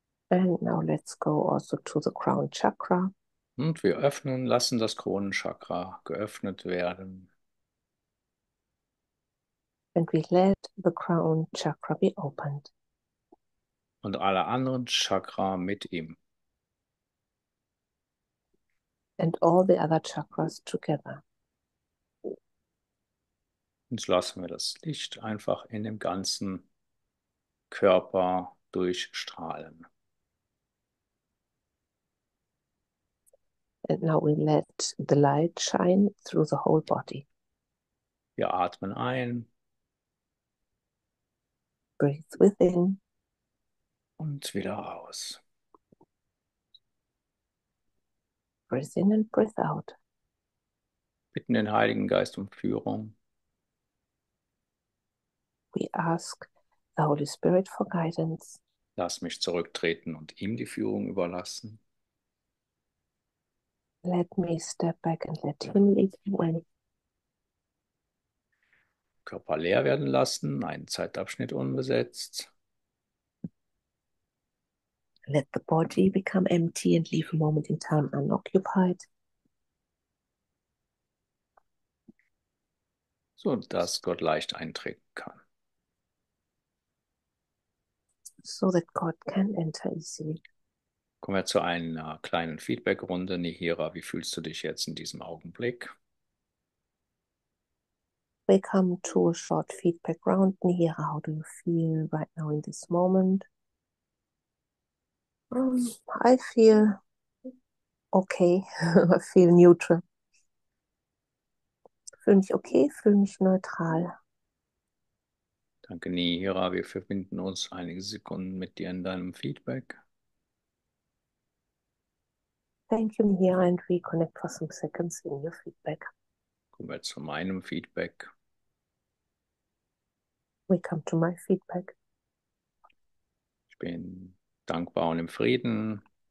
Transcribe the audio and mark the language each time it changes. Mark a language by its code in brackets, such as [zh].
[en] And now let's go also to the crown chakra. [de] Und wir öffnen, lassen das Kronenchakra geöffnet werden. [en] And we let the crown chakra be opened. [de] Und alle anderen Chakra mit ihm. [en] And all the other chakras together. [de] Jetzt lassen wir das Licht einfach in dem ganzen Körper durchstrahlen. [en] And now we let the light shine through the whole body. [de] Wir atmen ein [en] Breathe within. [de] und wieder aus. [en] Breathe in and breathe out. [de] Bitten den Heiligen Geist um Führung. [en] We ask the Holy Spirit for guidance. [de] Lass mich zurücktreten und ihm die Führung überlassen. [en] Let me step back and let him lead the way. [de] Körper leer werden lassen, einen Zeitabschnitt unbesetzt. [en] Let the body become empty and leave a moment in time unoccupied. [de] So dass Gott leicht eintreten kann. [en] So that God can enter easily. [de] Kommen wir zu einer kleinen Feedback-Runde. Nihira, wie fühlst du dich jetzt in diesem Augenblick? [en] We come to a short feedback round. Nihira, how do you feel right now in this moment? I feel okay. I feel neutral. [de] Fühle mich okay, fühle mich neutral. Danke, Nihira. Wir verbinden uns einige Sekunden mit dir in deinem Feedback. [en] Thank you, Nihira, and reconnect for some seconds in your feedback. [de] Kommen wir zu meinem Feedback. [en] We come to my feedback. [de] Ich bin dankbar und im Frieden.